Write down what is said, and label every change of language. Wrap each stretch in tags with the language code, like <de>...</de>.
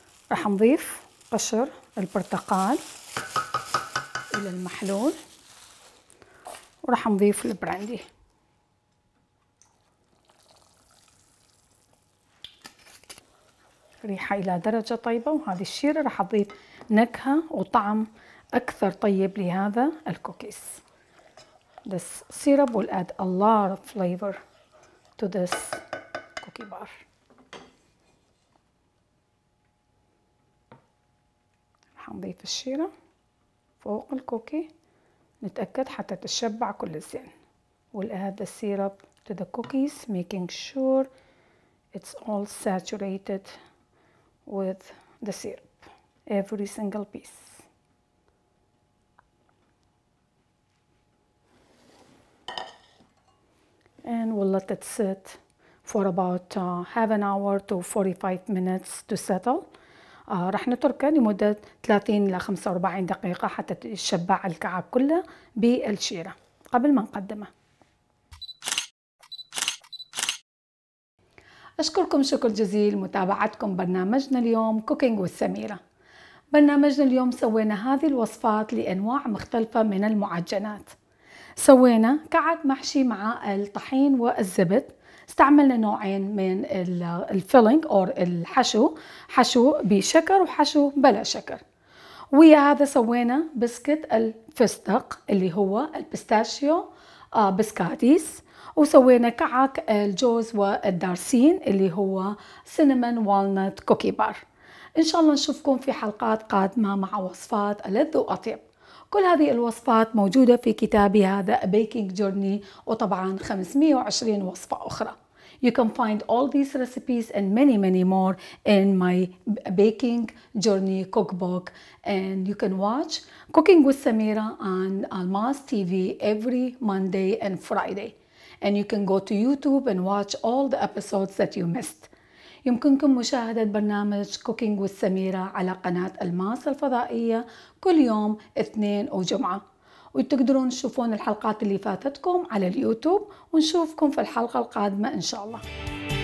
<ar>راح نضيف قشر البرتقال الى المحلول وراح نضيف البراندي. ريحة الى درجة طيبة وهذه الشيرة راح تضيف نكهة وطعم اكثر طيب لهذا الكوكيز.</ar> <en>This syrup will add a lot of flavor to this cookie bar.</en> <ar>نضيف الشيرة فوق الكوكي نتأكد حتى تشبع كل زين.</ar> <en>We'll add the syrup to the cookies making sure it's all saturated with the syrup every single piece. And we'll let it sit for about half an hour to 45 minutes to settle.</en> <ar>راح نتركه لمدة 30 إلى 45 دقيقة حتى يتشبع الكعك كله بالشيرة قبل ما نقدمه. أشكركم شكر جزيل متابعتكم برنامجنا اليوم كوكينج والسميرة. برنامجنا اليوم سوينا هذه الوصفات لأنواع مختلفة من المعجنات. سوينا كعك محشي مع الطحين والزبد. استعملنا نوعين من الفيلينج أو الحشو، حشو بشكر وحشو بلا شكر. ويا هذا سوينا بسكت الفستق اللي هو البستاشيو بسكاتيس، وسوينا كعك الجوز والدارسين اللي هو</ar> <en>Cinnamon walnut cookie bar.</en> <ar>إن شاء الله نشوفكم في حلقات قادمة مع وصفات ألذ وأطيب. كل هذه الوصفات موجودة في كتابي هذا A Baking Journey، وطبعاً 520 وصفة أخرى.</ar> <en>You can find all these recipes and many many more in my Baking Journey cookbook. And you can watch Cooking with Samira on Almaz TV every Monday and Friday. And you can go to YouTube and watch all the episodes that you missed.</en> <ar>يمكنكم مشاهدة برنامج Cooking with Samira على قناة الماس الفضائية كل يوم اثنين وجمعة، وتقدرون تشوفون الحلقات اللي فاتتكم على اليوتيوب، ونشوفكم في الحلقة القادمة إن شاء الله.</ar>